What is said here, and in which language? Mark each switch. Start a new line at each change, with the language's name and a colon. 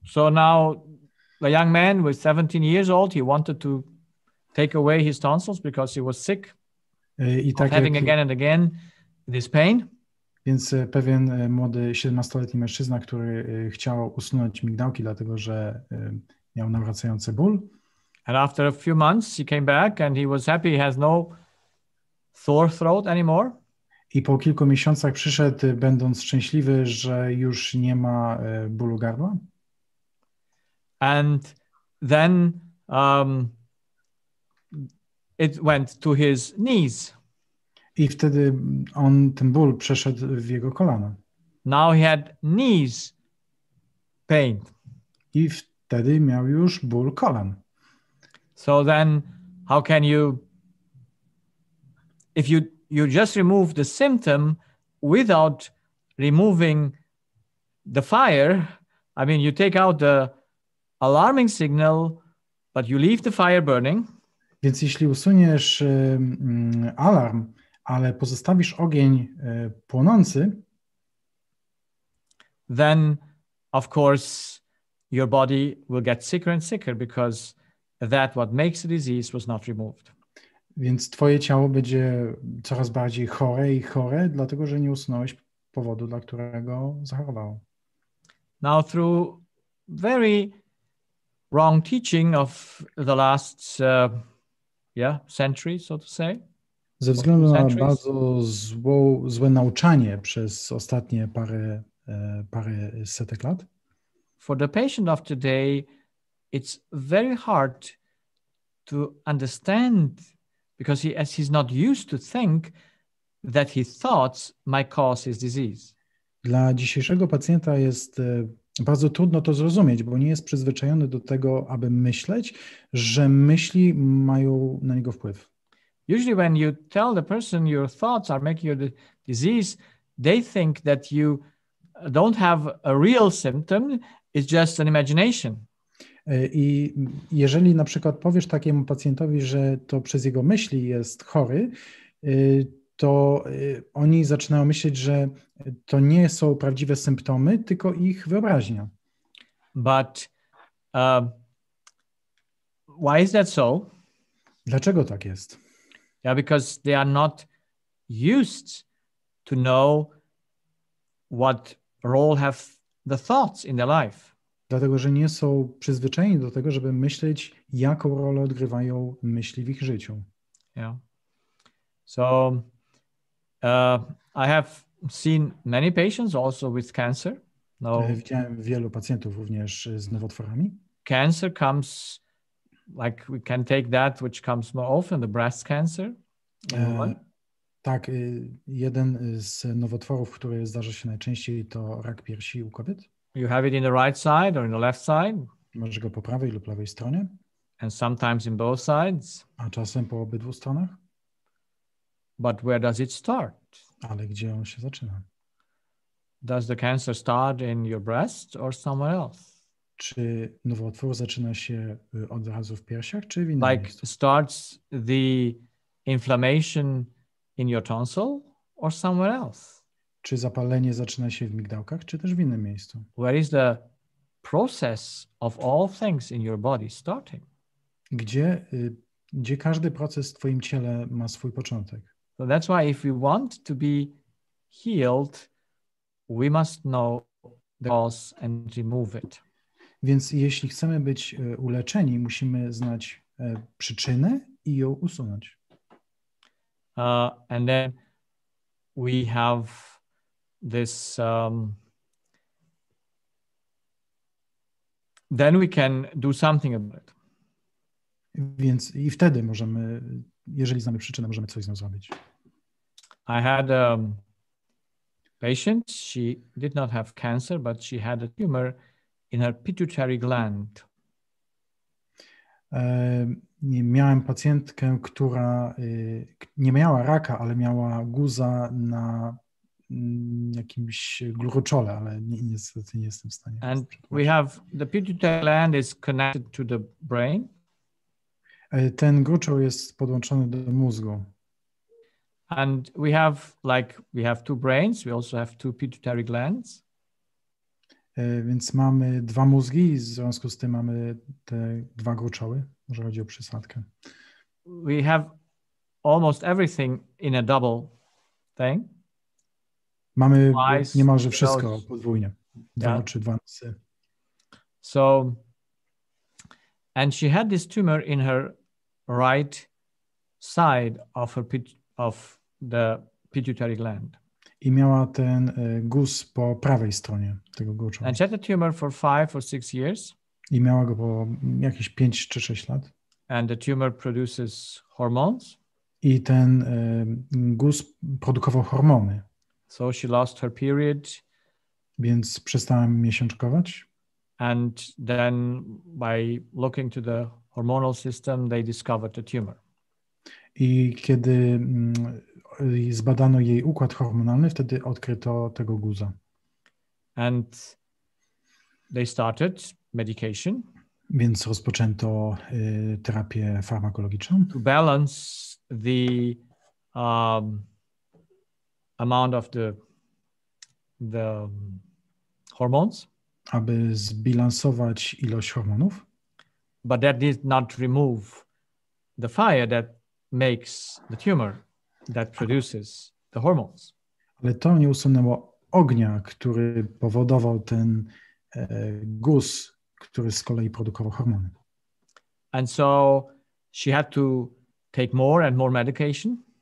English: So now the young man was 17 years old, he wanted to take away his tonsils because he was sick.
Polish: I tak
English: having again and again this pain.
Polish: Więc pewien młody 17-letni mężczyzna, który chciał usunąć migdałki, dlatego że miał nawracający ból.
English: And after a few months he came back and he was happy, he has no sore throat anymore.
Polish: I po kilku miesiącach przyszedł, będąc szczęśliwy, że już nie ma bólu gardła.
English: And then it went to his knees.
Polish: I wtedy on ten ból przeszedł w jego kolana.
English: Now he had knees pain.
Polish: I wtedy miał już ból kolan.
English: So then how can you, if you just remove the symptom without removing the fire, I mean you take out the alarming signal, but you leave the fire burning.
Polish: Więc jeśli usuniesz alarm, ale pozostawisz ogień płonący,
English: then of course your body will get sicker and sicker because that what makes the disease was not removed.
Polish: Więc twoje ciało będzie coraz bardziej chore i chore, dlatego że nie usunąłeś powodu, dla którego zachorowało.
English: Now through very wrong teaching of the last century, so to say.
Polish: Ze względu na bardzo złe nauczanie przez ostatnie parę setek lat.
English: For the patient of today, it's very hard to understand because he's not used to think that his thoughts might cause his disease.
Polish: Dla dzisiejszego pacjenta jest bardzo trudno to zrozumieć, bo nie jest przyzwyczajony do tego, aby myśleć, że myśli mają na niego wpływ.
English: Usually when you tell the person your thoughts are making you the disease, they think that you don't have a real symptom, it's just an imagination.
Polish: I jeżeli na przykład powiesz takiemu pacjentowi, że to przez jego myśli jest chory, to oni zaczynają myśleć, że to nie są prawdziwe symptomy, tylko ich wyobraźnia.
English: But why is that so?
Polish: Dlaczego tak jest?
English: Yeah, because they are not used to know what role have the thoughts in their life.
Polish: Dlatego, że nie są przyzwyczajeni do tego, żeby myśleć, jaką rolę odgrywają myśli w ich życiu.
English: Yeah. So I have seen many patients also with cancer.
Polish: No. Widziałem wielu pacjentów również z nowotworami.
English: Cancer comes, like we can take that which comes more often, the breast cancer.
Polish: Tak, jeden z nowotworów, który zdarza się najczęściej, to rak piersi u kobiet.
English: You have it in the right side or in the left side.
Polish: Masz go po prawej lub lewej stronie.
English: And sometimes in both sides.
Polish: A czasem po obydwu stronach.
English: But where does it start?
Polish: Ale gdzie on się zaczyna?
English: Does the cancer start in your breast or somewhere else?
Polish: Czy nowotwór zaczyna się od razu w piersiach, czy w innym
English: like
Polish: miejscu?
English: Like starts the inflammation in your tonsil or somewhere else?
Polish: Czy zapalenie zaczyna się w migdałkach, czy też w innym miejscu?
English: Where is the process of all things in your body starting?
Polish: Gdzie każdy proces w twoim ciele ma swój początek?
English: So that's why if we want to be healed, we must know the cause and remove it.
Polish: Więc jeśli chcemy być uleczeni, musimy znać przyczynę i ją usunąć.
English: And then we have this then we can do something about it.
Polish: Więc i wtedy możemy, jeżeli znamy przyczynę, możemy coś z nią zrobić.
English: I had a patient, she did not have cancer, but she had a tumor in her pituitary gland.
Polish: Miałem pacjentkę, która nie miała raka, ale miała guza na jakimś gluroczole, ale niestety nie jestem w stanie.
English: And we have the pituitary gland is connected to the brain.
Polish: Ten gruczoł jest podłączony do mózgu.
English: And we have like we have two brains, we also have two pituitary glands.
Polish: Więc mamy dwa mózgi, w związku z tym mamy te dwa gruczoły, może chodzi o przysadkę.
English: We have almost everything in a double thing.
Polish: Mamy
English: twice,
Polish: niemalże wszystko
English: those,
Polish: podwójnie, dwa
English: yeah.
Polish: czy dwa nosy.
English: So, and she had this tumor in her right side of her of the pituitary gland.
Polish: I miała ten guz po prawej stronie tego gruczoła.
English: And she had a tumor for 5 or 6 years.
Polish: I miała go po jakieś 5 czy 6 lat.
English: And the tumor produces hormones.
Polish: I ten guz produkował hormony.
English: So she lost her period.
Polish: Więc przestałem miesiączkować.
English: And then by looking to the hormonal system, they discovered the tumor.
Polish: I kiedy zbadano jej układ hormonalny, wtedy odkryto tego guza.
English: And they started medication.
Polish: Więc rozpoczęto terapię farmakologiczną.
English: To balance the amount of the hormones.
Polish: Aby zbilansować ilość hormonów.
English: But that did not remove the fire that makes the tumor that produces the hormones.
Polish: Ale to nie usunęło ognia, który powodował ten guz, który z kolei produkował hormony.
English: And so she had to take more and more medication.